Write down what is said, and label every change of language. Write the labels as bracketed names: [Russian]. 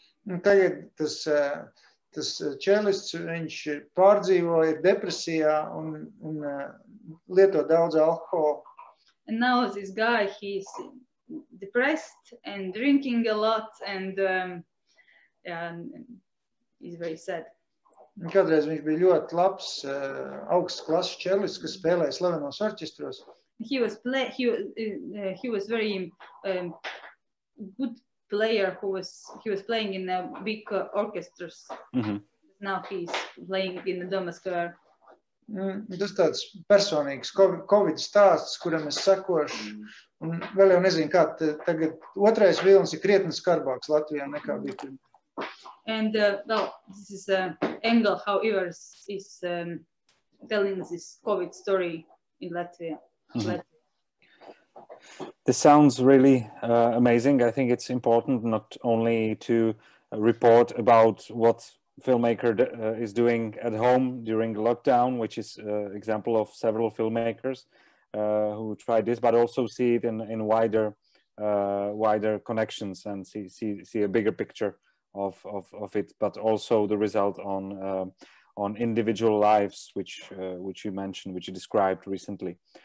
[Latvian] Tagad tas čēlists, viņš pārdzīvoja depresijā un lieto daudz alkoholu. [English] And now this guy, he's depressed and drinking a lot, and he's very sad. [Latvian] Kādreiz viņš bija ļoti labs, augsts klases čēlists, kas spēlēja slavenos orķestros. [English] He was very good player who was playing in a big orchestras. Mm-hmm. Now he's playing in the Doma Square. [Latvian] Tas tāds personīgs Covid stāsts, kuram es sakošu. Un vēl jau nezinu, kā tagad otrais vilnis ir krietni skarbāks Latvijā nekā bija pirms. [English] And this is angle how Ivars is telling this Covid story in Latvia. Mm-hmm. This sounds really amazing. I think it's important not only to report about what filmmaker is doing at home during lockdown, which is example of several filmmakers who tried this, but also see it in wider connections and see a bigger picture of it, but also the result on individual lives, which you mentioned, which you described recently.